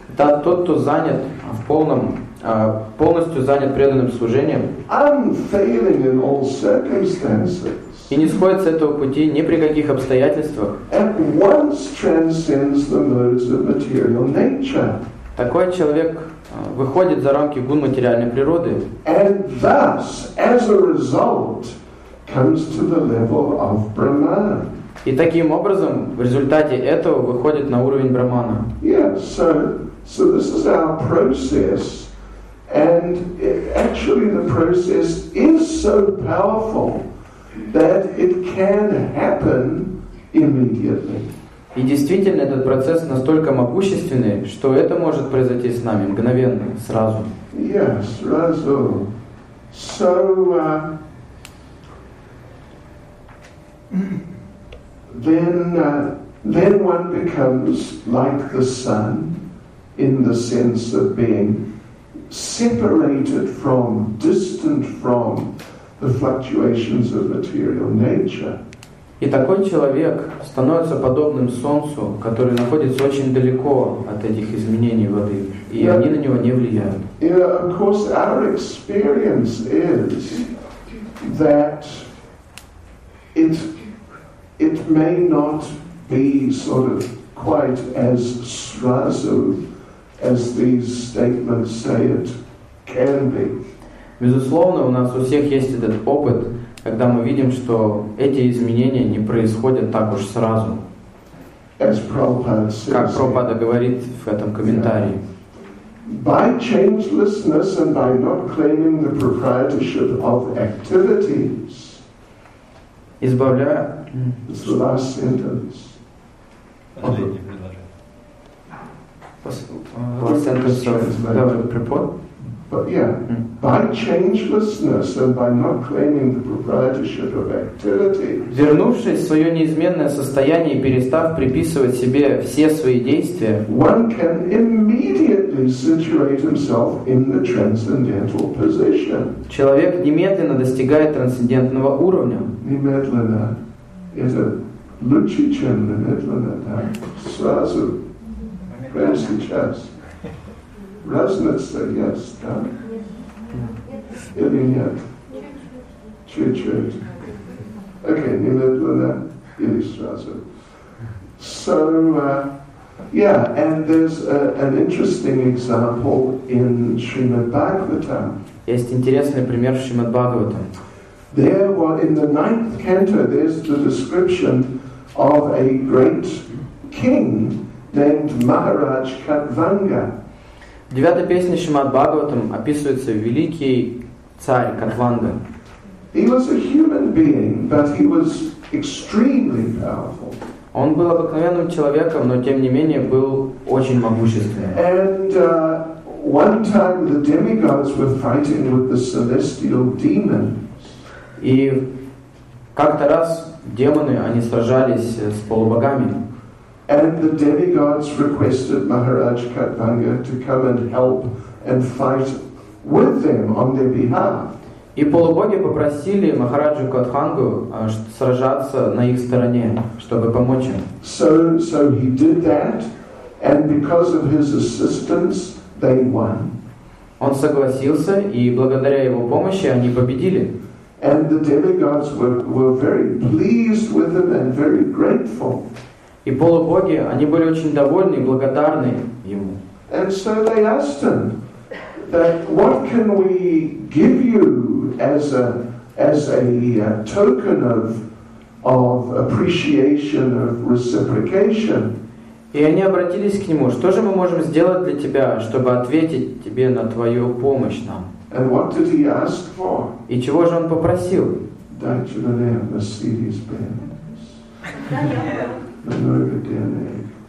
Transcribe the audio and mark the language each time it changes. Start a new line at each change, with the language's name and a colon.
Russian: Да, тот, кто занят в полном, полностью занят преданным служением.
English: Unfailing in all circumstances.
Russian: И не сходит с этого пути ни при каких обстоятельствах.
English: At once transcends the modes of material nature.
Russian: Такой человек выходит за рамки гун материальной природы.
English: And thus, as a result, comes to the level of Brahman.
Russian: И таким образом, в результате этого, выходит на уровень брахмана.
English: Yeah, so this is our process, and actually the process is so powerful that it can happen immediately.
Russian: И действительно, этот процесс настолько могущественный, что это может произойти с нами мгновенно, сразу.
English: Yes,
Russian: сразу.
English: So. Then one becomes like the sun, in the sense of being separated from, distant from the fluctuations of material nature.
Russian: И такой человек становится подобным солнцу, который находится очень далеко от этих изменений воды, и они на него не влияют.
English: Yeah, of course, our experience is that it may not be sort of quite as
Russian: сразу,
English: as these statements say it can be.
Russian: Безусловно, у нас у всех есть этот опыт, когда мы видим, что эти изменения не происходят так уж сразу.
English: As Prabhupada says,
Russian: как Прабхупада говорит в этом комментарии.
English: By changelessness and by not claiming the proprietorship of activities. By changelessness and by not claiming the proprietorship of activity.
Russian: Вернувшись в свое неизменное состояние и перестав приписывать себе все свои действия,
English: one can immediately situate himself in the transcendental position.
Russian: Человек немедленно достигает трансцендентного уровня. Немедленно. Это лучше, чем немедленно, да? Сразу. Прямо сейчас. Разница,
English: yes,
Russian: да? Или нет? Чуть-чуть. Окей, немедленно или сразу.
English: So, yeah, and there's an interesting example in Srimad Bhagavatam.
Russian: Есть интересный пример в Шримад Бхагаватам.
English: There was in the ninth canto. There's the description of a great king named Maharaj Katvanga.
Russian: В девятой песне Шримад Бхагаватам описывается великий царь Катванга.
English: He was a human being, but he was extremely powerful.
Russian: Он был обыкновенным человеком, но тем не менее был очень могущественным.
English: And one time the demigods were fighting with the celestial demon.
Russian: И как-то раз демоны, они сражались с полубогами.
English: And the demigods requested Maharaj Katvanga to come and help and fight with them on their behalf.
Russian: И полубоги попросили Махараджу Катхангу сражаться на их стороне, чтобы помочь им.
English: So he did that, and because of his assistance, they won.
Russian: Он согласился, и благодаря его помощи они победили.
English: And the demigods were very pleased with him and very grateful.
Russian: И полубоги, они были очень довольны и благодарны ему.
English: And so they asked him that what can we give you as a token of appreciation, of reciprocation.
Russian: И они обратились к нему: что же мы можем сделать для тебя, чтобы ответить тебе на твою помощь нам?
English: And what did he ask for?
Russian: И чего же он попросил? Дайте мне Mercedes-Benz. Новый день.